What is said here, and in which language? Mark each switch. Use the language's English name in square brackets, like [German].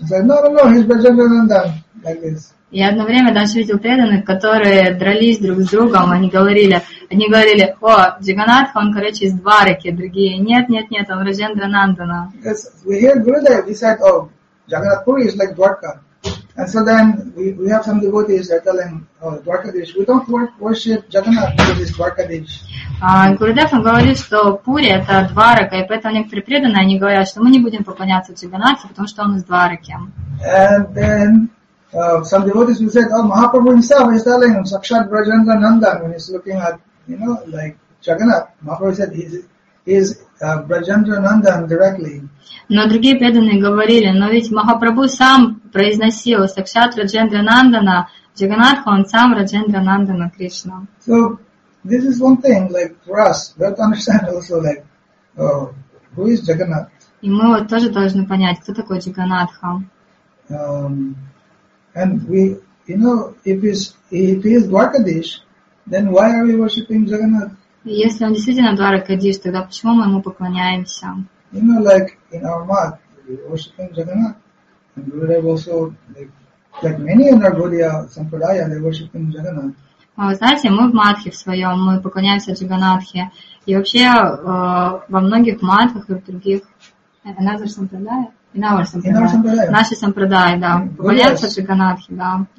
[English] It's like, no, he's Vrajendranandan, like this. [Russian] Я одно время даже видел преданных, которые дрались друг с другом, они говорили, о, Джаганнатха, он, короче, из Двараки, другие, нет, он Раджендранандана. [English] Yes, we hear Gurudev, he said, oh, Jagannath Puri is like Dwarka. And so then we have some devotees that are telling, oh, Dwarkadish, we don't worship Jagannath because it's Dwarkadish. [Russian] Гурудев говорит, что Пури — это Дварака, и поэтому некоторые преданные, они говорят, что мы не будем поклоняться Джаганнатху, потому что он из Двараки. [English] And then some devotees will say, oh, Mahaprabhu himself is telling him, Sakshat Vrajendra Nandan, when he's looking at, you know, like Jagannath. Mahaprabhu said, he's Vrajendra Nandan directly. [Russian] Но другие преданные говорили, но ведь Махапрабху сам произносил Сакшат Раджендра Нандана, Джаганнатха, он сам Раджендра Нандана Кришна. [English] So, this is one thing, like, for us, we have to understand also, like, oh, who is Jagannath? [Russian] И мы вот тоже должны понять, кто такой Джаганнатха. [English] And we, you know, if he is Dwarkadish, then why are we worshipping Jagannath? [Russian] Если он действительно Дваракадиш, тогда почему мы ему поклоняемся? [English] You know, like in our math, we worship Jagannath. And Gurudev also, like many in our Gaudiya Sampradaya, they worship Jagannath. [Russian] Вы знаете, мы в матхе в своем, мы поклоняемся Джаганнатхе. И вообще во многих матхах и в других... [English] Another Sampradaya? In our Sampradaya. [Russian] Наши Sampradaya, да. Поклоняемся Джаганнатхе, да.